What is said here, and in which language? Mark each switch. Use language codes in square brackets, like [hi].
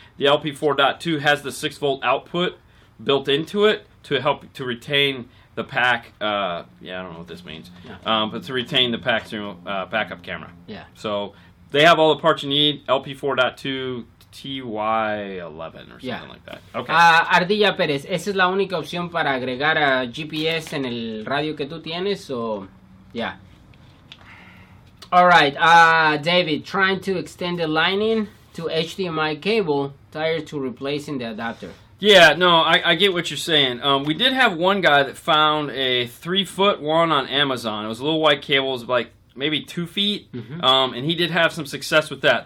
[en] The LP 4.2 has the 6 volt output built into it to help to retain the pack. I don't know what this means. Yeah. But to retain the pack steering wheel, backup camera. Yeah. So they have all the parts you need, LP4.2, TY11 or something like that. Okay. [es] Ardilla Pérez, ¿esa es la única opción para agregar a GPS en el radio que tú tienes? [en] O, yeah. All right. David, trying to extend the lining to HDMI cable, tired to replacing the adapter. Yeah, no, I get what you're saying. We did have one guy that found a 3 foot one on Amazon. It was a little white cable. It was like maybe 2 feet, and he did have some success with that.